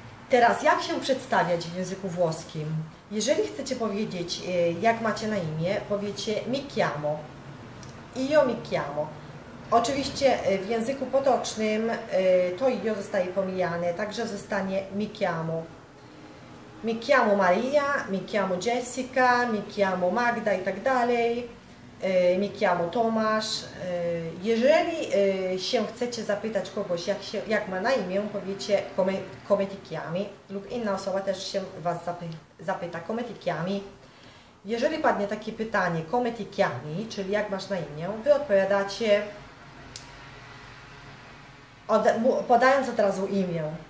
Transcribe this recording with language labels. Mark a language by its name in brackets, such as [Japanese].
[Polish] Teraz, jak się przedstawiać w języku włoskim? Jeżeli chcecie powiedzieć, jak macie na imię, powiecie [Italian] mi chiamo. Io mi chiamo. [Polish] Oczywiście w języku potocznym to io zostaje pomijane, także zostanie [Italian] mi chiamo. Mi chiamo Maria, mi chiamo Jessica, mi chiamo Magda [Polish] i tak dalej. [Italian] Mi chiamo Tomasz. [Polish] Jeżeli się chcecie zapytać kogoś, jak ma na imię, powiecie [Italian] come ti chiami, [Polish] lub inna osoba też się Was zapyta come ti chiami. Jeżeli padnie takie pytanie [Italian] come ti chiami, [Polish] czyli jak masz na imię, Wy odpowiadacie podając od razu imię.